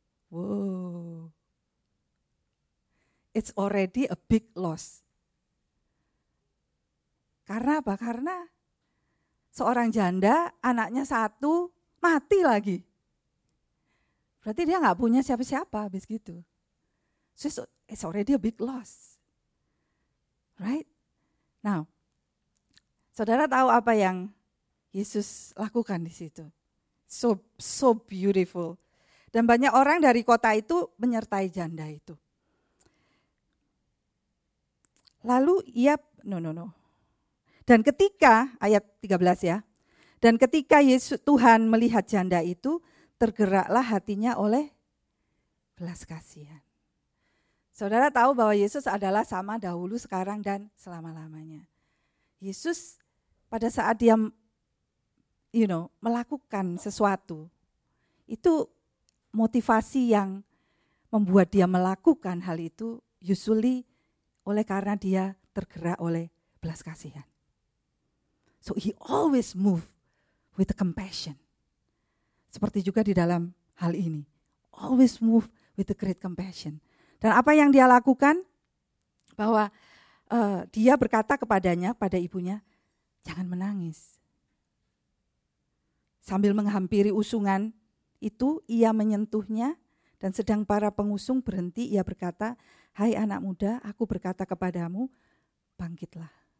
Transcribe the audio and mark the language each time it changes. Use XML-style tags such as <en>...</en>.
<en>Wow. It's already a big loss.</en> <id>Karena apa? Karena seorang janda, anaknya satu, mati lagi. Berarti dia gak punya siapa-siapa habis gitu.</id> <en>So it's already a big loss. Right?</en> <id>Now, saudara tahu apa yang Yesus lakukan di situ?</id> <en>So beautiful.</en> <id>Dan banyak orang dari kota itu menyertai janda itu. Lalu ia, Dan ketika, ayat 13 ya. Dan ketika Yesus Tuhan melihat janda itu, tergeraklah hatinya oleh belas kasihan. Saudara tahu bahwa Yesus adalah sama dahulu, sekarang, dan selama-lamanya. Yesus pada saat dia melakukan sesuatu, itu motivasi yang membuat dia melakukan hal itu usually oleh karena dia tergerak oleh belas kasihan.</id> <en>So he always move with compassion.</en> <id>Seperti juga di dalam hal ini.</id> <en>Always move with the great compassion.</en> <id>Dan apa yang dia lakukan? Bahwa dia berkata kepadanya, pada ibunya, jangan menangis. Sambil menghampiri usungan itu, ia menyentuhnya dan sedang para pengusung berhenti, ia berkata, hai anak muda, aku berkata kepadamu, bangkitlah.</id>